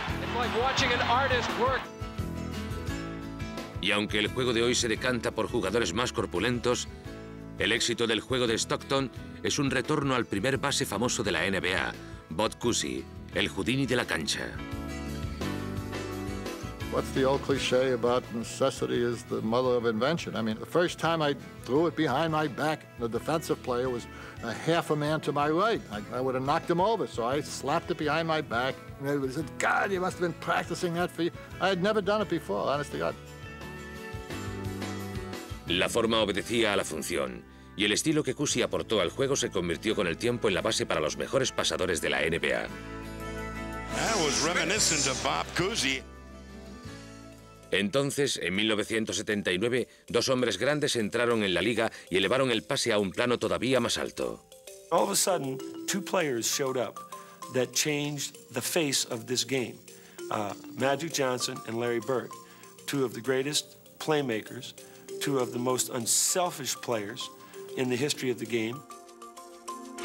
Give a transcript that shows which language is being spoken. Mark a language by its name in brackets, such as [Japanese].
[English] It's like watching an artist work. [Spanish] Y aunque el juego de hoy se decanta por jugadores más corpulentos, el éxito del juego de Stockton es un retorno al primer base famoso de la NBA, Bud Cousy, el Houdini de la cancha. [English] What's the old cliche about necessity is the mother of invention? I mean, the first time I threw it behind my back, the defensive player was a half a man to my right. I would have knocked him over, so I slapped it behind my back. And everybody said, God, you must have been practicing that for you. I had never done it before, honest to God. [Spanish] La forma obedecía a la función, y el estilo que Cousy aportó al juego se convirtió con el tiempo en la base para los mejores pasadores de la NBA. [English] That was reminiscent of Bob Cousy. [Spanish] Entonces, en 1979, dos hombres grandes entraron en la liga y elevaron el pase a un plano todavía más alto. [English] All of a sudden, two players showed up that changed the face of this game. Magic Johnson and Larry Bird, two of the greatest playmakers, two of the most unselfish players in the history of the game. Bird on the drive.